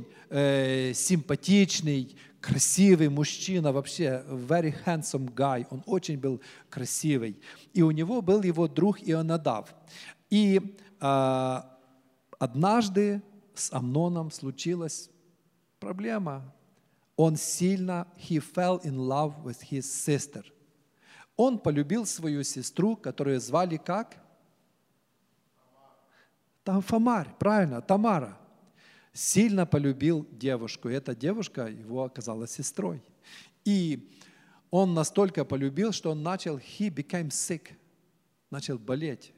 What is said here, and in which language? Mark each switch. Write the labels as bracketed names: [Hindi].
[Russian] Очень симпатичный, красивый мужчина, вообще [English] very handsome guy, [Russian] он очень был красивый. И у него был его друг Ионадав. И однажды с Амноном случилась проблема. Он сильно, [English] he fell in love with his sister. [Russian] Он полюбил свою сестру, которую звали как? Там Фамарь, правильно, Тамара. Сильно полюбил девушку. Эта девушка его оказалась сестрой. И он настолько полюбил, что он начал, [English] he became sick. [Russian] Начал болеть.